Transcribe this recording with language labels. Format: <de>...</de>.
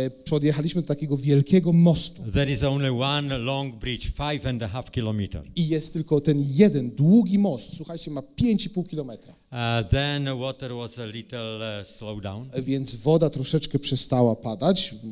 <pl>Podjechaliśmy do takiego wielkiego mostu.</pl> <en>There is only one long bridge, 5.5 kilometer.</en> <pl>I jest tylko ten jeden długi most. Słuchajcie, ma 5.5 kilometra.</pl> <en>Then water was a little slow down.</en> <pl>Więc woda troszeczkę przestała padać.</pl>